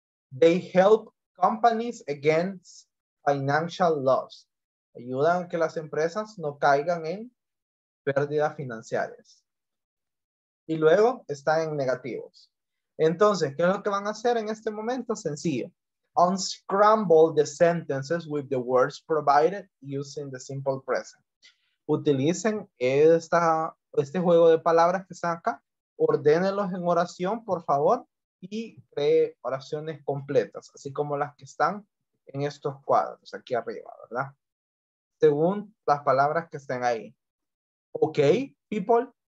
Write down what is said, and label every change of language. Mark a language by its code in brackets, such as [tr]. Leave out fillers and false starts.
[en] They help companies against financial loss. [es] Ayudan a que las empresas no caigan en pérdidas financieras. Y luego están en negativos. Entonces, ¿qué es lo que van a hacer en este momento? Sencillo. [en] Unscramble the sentences with the words provided using the simple present. [es] Utilicen este juego de palabras que están acá. Ordénenlos en oración, por favor. y cree oraciones completas, así como las que están en estos cuadros aquí arriba, ¿verdad? Según las palabras que estén ahí. [en] Ok, people.